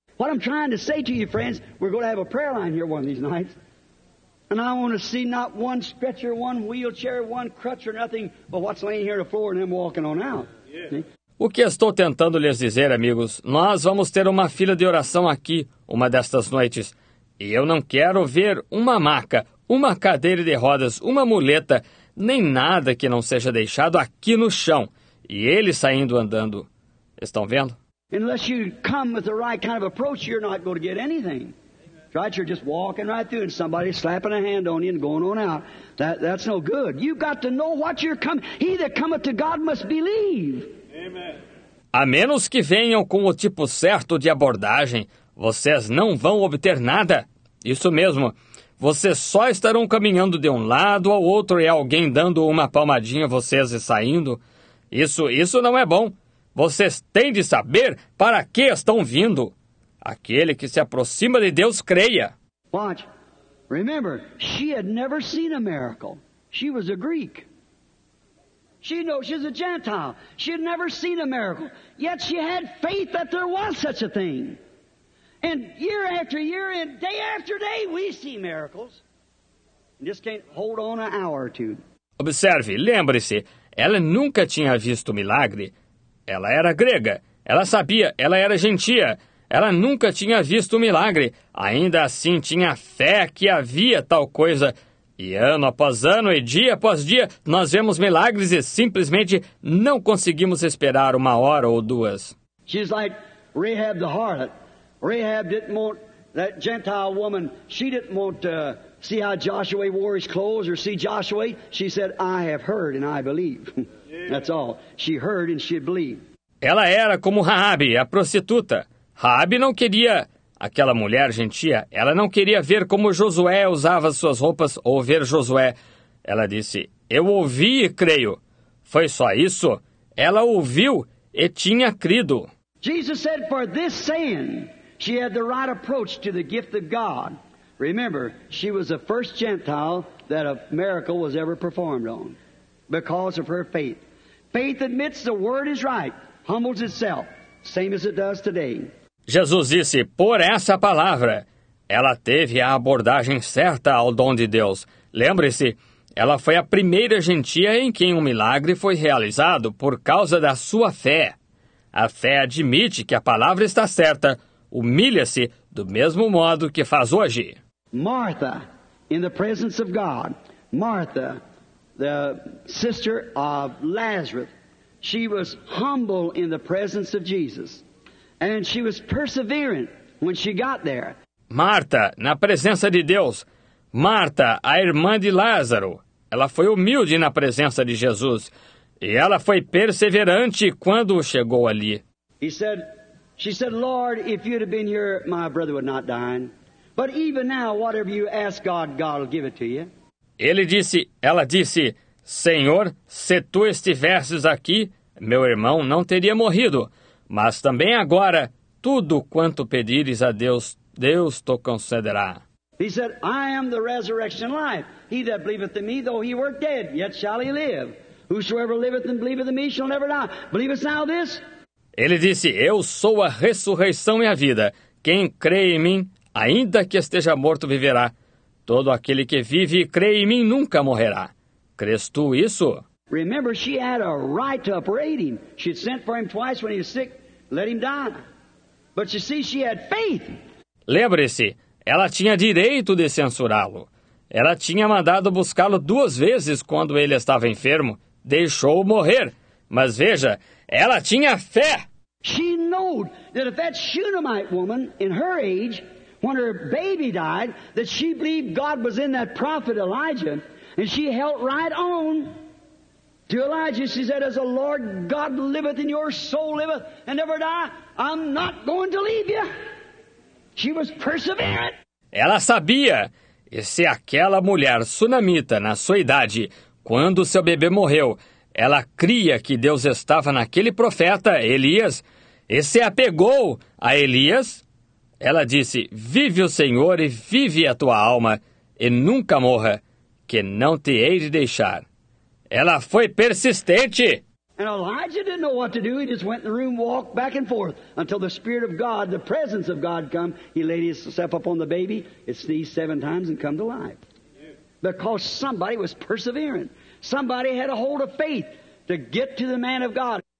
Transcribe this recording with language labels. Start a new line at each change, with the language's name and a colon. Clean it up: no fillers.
English: What I'm trying to say to you, friends, we're going to have a prayer line here one of these nights. And I want to see not one stretcher, one wheelchair, one crutch or nothing, but what's laying here on the floor and them walking on out.
Portuguese: O que estou tentando lhes dizer, amigos, nós vamos ter uma fila de oração aqui, uma destas noites. E eu não quero ver uma maca, uma cadeira de rodas, uma muleta, nem nada que não seja deixado aqui no chão. E ele saindo andando. Estão vendo?
English: Unless you come with the right kind of approach, you're not going to get anything. Right, you're just walking right through and somebody slapping a hand on you and going on out. That's no good. You've got to know what you're coming. He that cometh to God must believe.
Portuguese: A menos que venham com o tipo certo de abordagem, vocês não vão obter nada. Isso mesmo. Vocês só estarão caminhando de um lado ao outro e alguém dando uma palmadinha a vocês e saindo. Isso não é bom. Vocês têm de saber para que estão vindo. Aquele que se aproxima de Deus, creia.
English: Watch. Remember, she had never seen a miracle. She was a Greek. She knows she's a Gentile. She had never seen a miracle. Yet she had faith that there was such a thing. And year after year and day after day, we see miracles. And just can't hold on an hour or two.
Portuguese: Observe, lembre-se, ela nunca tinha visto milagre. Ela era grega. Ela sabia, ela era gentia. Ela nunca tinha visto um milagre. Ainda assim, tinha fé que havia tal coisa. E ano após ano e dia após dia, nós vemos milagres e simplesmente não conseguimos esperar uma hora ou duas.
English: She's like Rahab the harlot. Rahab didn't want that Gentile woman. She didn't want to see how Joshua wore his clothes or see Joshua. She said, I have heard and I believe. That's all. She heard and she believed.
Portuguese: Ela era como Raabe, a prostituta. Raabe não queria aquela mulher gentia. Ela não queria ver como Josué usava suas roupas ou ver Josué. Ela disse, eu ouvi e creio. Foi só isso. Ela ouviu e tinha crido.
English: Jesus said, for this saying, she had the right approach to the gift of God. Remember, she was the first Gentile that a miracle was ever performed on because of her faith. Faith admits the word is right, humbles itself, same as it does today.
Portuguese: Jesus disse, por essa palavra, ela teve a abordagem certa ao dom de Deus. Lembre-se, ela foi a primeira gentia em quem um milagre foi realizado por causa da sua fé. A fé admite que a palavra está certa, humilha-se do mesmo modo que faz hoje.
English: Martha, in the presence of God, Martha, the sister of Lazarus, she was humble in the presence of Jesus. And she was perseverant when she got there.
Portuguese: Marta, na presença de Deus. Marta, a irmã de Lázaro. Ela foi humilde na presença de Jesus. E ela foi perseverante quando chegou ali.
English: She said, Lord, if you'd have been here, my brother would not die. But even now, whatever you ask God, God will give it to you.
Portuguese: Ela disse, Senhor, se tu estivesses aqui, meu irmão não teria morrido. Mas também agora, tudo quanto pedires a Deus, Deus te concederá.
English: He said, I am the resurrection life. He that believeth in me, though he were dead, yet shall he live. Whosoever liveth and believeth in me shall never die. Believest thou this?
Portuguese: Ele disse, eu sou a ressurreição e a vida. Quem crê em mim, ainda que esteja morto, viverá. Todo aquele que vive e crê em mim nunca morrerá. Crês tu isso?
English: Remember, she had a right to upbraid him. She had sent for him twice when he was sick, let him die. But you see, she had faith.
Portuguese: Lembre-se, ela tinha direito de censurá-lo. Ela tinha mandado buscá-lo duas vezes quando ele estava enfermo. Deixou-o morrer. Mas veja, ela tinha fé.
English: She knew that if that Shunammite woman, in her age, when her baby died, that she believed God was in that prophet Elijah, and she held right on. To Elijah, she said, as the Lord God liveth and your soul liveth and never die, I'm not going to leave you. She was perseverant.
Portuguese: Ela sabia. E se aquela mulher sunamita, na sua idade, quando seu bebê morreu, ela cria que Deus estava naquele profeta, Elias, e se apegou a Elias, ela disse, vive o Senhor e vive a tua alma, e nunca morra, que não te hei de deixar. Ela foi persistente.
English: And Elijah didn't know what to do. He just went in the room, walked back and forth until the Spirit of God, the presence of God come. He laid himself up on the baby. It sneezed 7 times and come to life. Because somebody was persevering. Somebody had a hold of faith to get to the man of God.